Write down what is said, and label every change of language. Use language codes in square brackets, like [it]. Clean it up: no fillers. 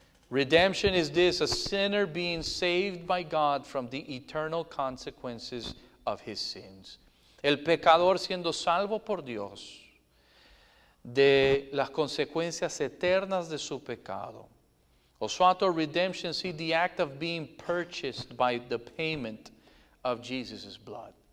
[en] Redemption is this, a sinner being saved by God from the eternal consequences of his sins. [es] El pecador siendo salvo por Dios de las consecuencias eternas de su pecado. [en] Osuato redemption, see the act of being purchased by the payment of Jesus' blood.